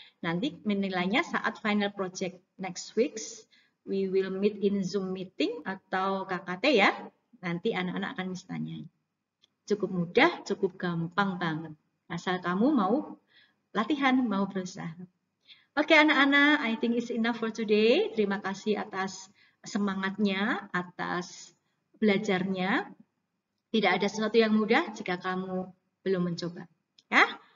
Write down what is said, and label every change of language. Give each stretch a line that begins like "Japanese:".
Indonesian: Nanti menilainya saat
English: final project next week, we will meet in Zoom meeting
Indonesian: atau KKT ya. Nanti anak-anak akan Miss tanya. Cukup mudah, cukup gampang banget. Asal kamu mau latihan, mau berusaha. Oke, anak-anak,
English: I think it's enough for today.
Indonesian: Terima kasih atas semangatnya, atas belajarnya. Tidak ada sesuatu yang mudah jika kamu belum mencoba, ya.